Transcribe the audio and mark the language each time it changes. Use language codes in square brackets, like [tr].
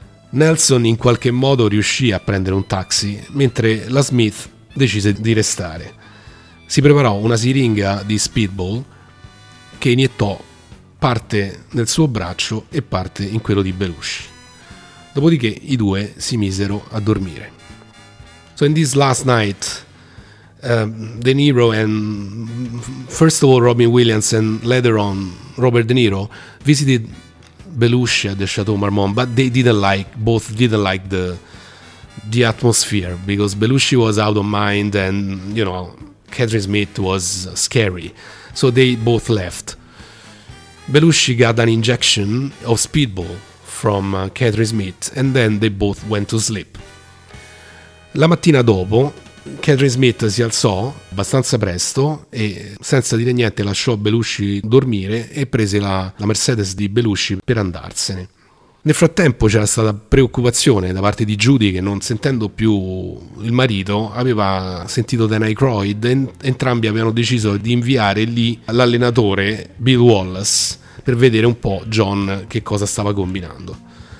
[it] Nelson in qualche modo riuscì a prendere un taxi, mentre la Smith decise di restare. Si preparò una siringa di Speedball che iniettò parte nel suo braccio e parte in quello di Belushi. Dopodiché i due si misero a dormire. [en] So in this last night, De Niro and first of all Robin Williams and later on Robert De Niro visited Belushi at the Chateau Marmont, but they both didn't like the atmosphere, because Belushi was out of mind and, you know, Catherine Smith was scary, so they both left. Belushi got an injection of Speedball from Catherine Smith and then they both went to sleep. [it] La mattina dopo Catherine Smith si alzò abbastanza presto e senza dire niente lasciò Belushi dormire e prese la Mercedes di Belushi per andarsene. Nel frattempo c'era stata preoccupazione da parte di Judy, che non sentendo più il marito aveva sentito Dan Aykroyd, e entrambi avevano deciso di inviare lì l'allenatore Bill Wallace per vedere un po' John che cosa stava combinando.